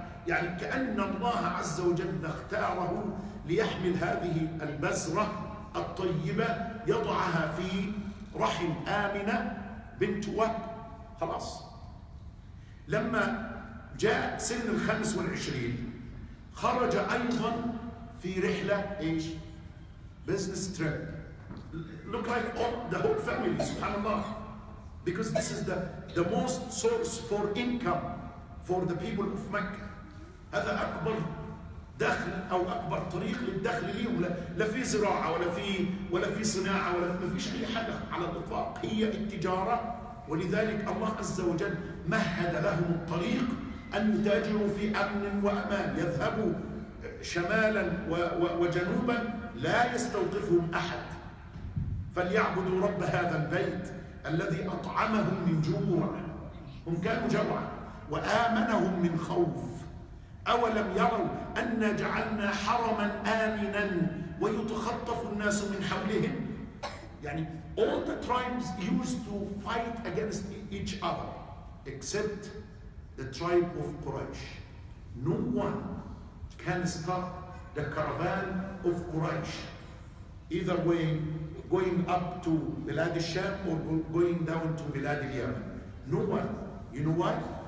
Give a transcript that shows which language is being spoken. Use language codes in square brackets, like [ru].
[ar] يعني كأن الله عز وجل اختاره ليحمل هذه البذرة الطيبة يضعها في رحم آمنة بنت وهب. خلاص لما جاء سن 25 خرج أيضا في رحلة إيش؟ [en] Business trip. Look like all the whole family, subhanAllah. Because this is the most source for income for the people of Mecca. [ar] هذا أكبر دخل أو أكبر طريق للدخل ليهم. لا في زراعة ولا في صناعة ولا ما فيش أي حاجة على الإطلاق. هي التجارة. ولذلك الله عز وجل مهد لهم الطريق أن يتاجروا في أمن وأمان. يذهبوا شمالا وجنوبا لا يستوقفهم أحد. فليعبدوا رب هذا البيت الذي أطعمهم من جوع. هم كانوا جوعا وآمنهم من خوف. أولم يروا أن جعلنا حرما آمنا ويتخطف الناس من حولهم. [en] يعني all the tribes used to fight against each other except the tribe of Quraysh. No one can stop the caravan of Quraysh either way, going up to Bilad al-Sham or going down to Bilad al-Yaman. No one. You know why?